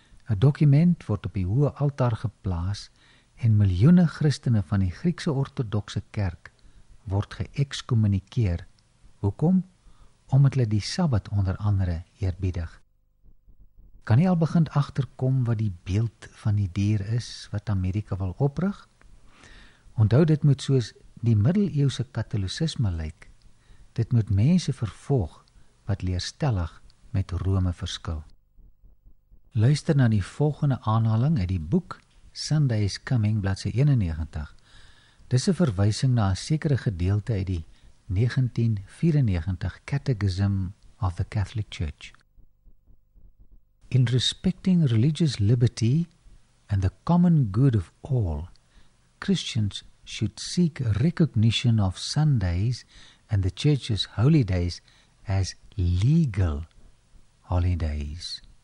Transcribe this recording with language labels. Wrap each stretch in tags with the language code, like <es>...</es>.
<af>'n Dokument word op die hoë altaar geplaas en miljoene Christene van die Griekse Orthodoxe Kerk word geëxcommunikeer. Hoekom? Omdat hulle die Sabbat onder andere eerbiedig. Kan jy al begin agterkom wat die beeld van die dier is wat Amerika wil oprig? Onthou, dit moet soos die middeleeuwse katolisisme lyk. Dit moet mense vervolg wat leerstellig met Rome verskil. Luister na die volgende aanhaling uit die boek Sunday is Coming, bladsy 91. Dis 'n verwysing na 'n sekere gedeelte uit die 1994 Catechism of the Catholic Church.</af> <en>In respecting religious liberty and the common good of all, Christians should seek recognition of Sundays and the Church's holy days as legal holidays.</en>